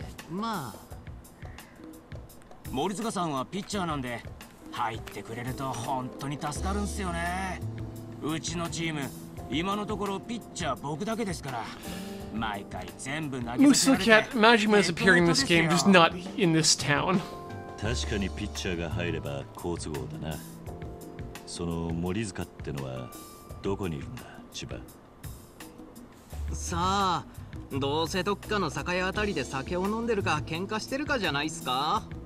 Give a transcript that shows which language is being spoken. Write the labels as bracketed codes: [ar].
[ja] まあ。森塚さんはピッチャーなんで、入ってくれると本当に助かるんすよね。うちのチーム、今のところピッチャー僕だけですから。毎回全部投げさせられて。 [en] Musou Cat, Majima is appearing in this game, just not in this town. [ja] 確かにピッチャーが入れば好都合だな。その森塚ってのはどこにいるんだ、千葉。さあ、どうせどっかの酒屋あたりで酒を飲んでるか喧嘩してるかじゃないっすか。